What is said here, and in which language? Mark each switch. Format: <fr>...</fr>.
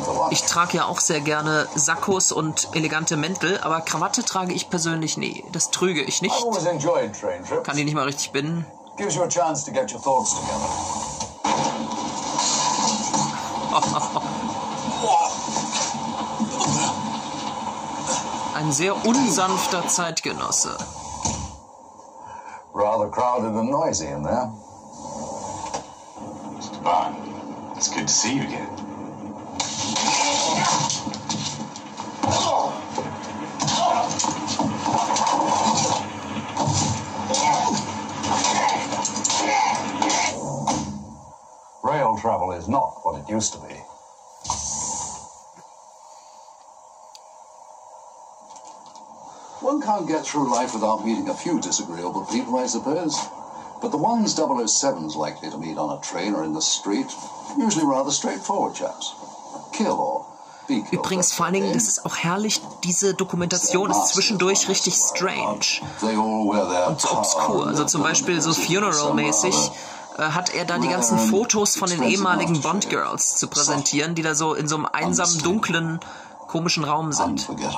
<de>Ich trage ja auch sehr gerne Sakkos und elegante Mäntel, aber Krawatte trage ich persönlich nie. Das trüge ich nicht. Kann die nicht mal richtig binden.</de> <en>Gives you a chance to get your thoughts together.</en> <de>Ein sehr unsanfter Zeitgenosse.</de> <en>Rather crowded and noisy in there. Mr. Bond, it's good to see you again. Rail travel is not what it used to be. One can't get through life without meeting a few disagreeable people, I suppose. But the ones 007's likely to meet on a train or in the street, usually rather straightforward chaps. Kill or be killed.</en> <de>Übrigens, vor allen Dingen, das ist auch herrlich, diese Dokumentation ist zwischendurch richtig strange und so obskur. Also zum Beispiel so Funeral-mäßig hat er da die ganzen Fotos von den ehemaligen Bond-Girls zu präsentieren, die da so in so einem einsamen, dunklen, komischen Raum sind.</de>